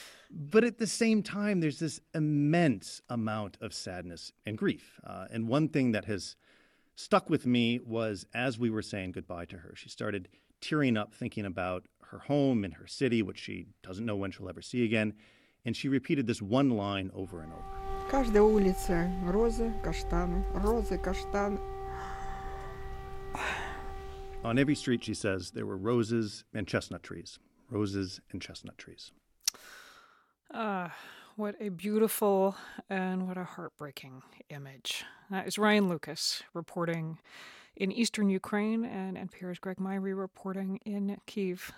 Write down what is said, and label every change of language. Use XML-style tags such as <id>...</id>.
<en>But at the same time, there's this immense amount of sadness and grief. And one thing that has stuck with me was as we were saying goodbye to her, she started tearing up thinking about her home and her city, which she doesn't know when she'll ever see again. And she repeated this one line over and over.</en> <ru>Каждая улица розы, каштаны, розы, каштаны.</ru> <en>On every street, she says, there were roses and chestnut trees. Roses and chestnut trees. What a beautiful and what a heartbreaking image. That is Ryan Lucas reporting in eastern Ukraine and NPR's Greg Myrie reporting in Kyiv.</en>